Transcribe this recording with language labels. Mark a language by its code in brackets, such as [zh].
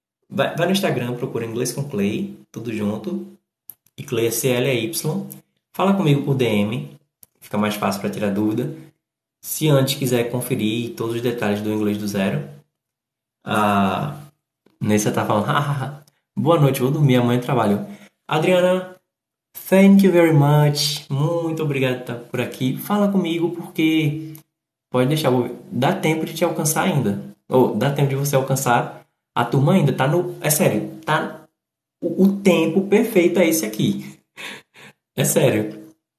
[pt] Vai no Instagram, procura inglês com Clay, tudo junto. E Clay é Clay. Fala comigo por DM. Fica mais fácil para tirar dúvida. Se antes quiser conferir todos os detalhes do inglês do zero. Nessa tá falando. Boa noite, vou dormir, amanhã trabalho. [en] Adriana, thank you very much. [pt] Muito obrigado por estar por aqui. Fala comigo porque pode deixar. Dá tempo de te alcançar ainda. Ou dá tempo de você alcançar a turma ainda. Tá no. É sério. Tá. O tempo perfeito é esse aqui. É sério.